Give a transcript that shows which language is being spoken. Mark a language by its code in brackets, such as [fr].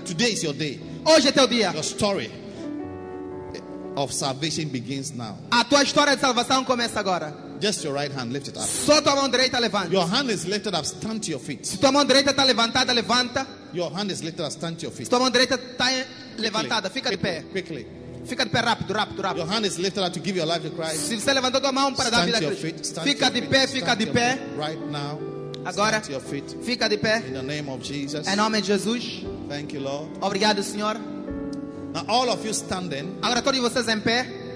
[en] Today is your day. [pt] Hoje é teu dia. [en] Your story of salvation begins now. [pt] A tua história de salvação começa agora. [en] Just your right hand, lift it up. [pt] Só tua mão direita levanta. [en] Your hand is lifted up, stand to your feet. [pt] Se tua mão direita está levantada, levanta. [en] Your hand is lifted up, stand to your feet. [pt] Se tua mão direita está levantada, fica de pé. [en] Quickly. [pt] Fica de pé rápido, rápido, rápido. [en] Your hand is lifted up to give your life to Christ. [pt] Se você levantou tua mão para [en] stand [pt] dar vida a Cristo. [en] Feet, [pt] fica de pé, fica de pé. [en] Right now. [pt] Agora. [en] Stand to your feet. [pt] Fica de pé. [en] In the name of Jesus. [pt] Em nome de Jesus. [en] Thank you, Lord. [pt] Obrigado, Senhor. [en] Now all of you standing. [pt] Agora todos vocês em pé.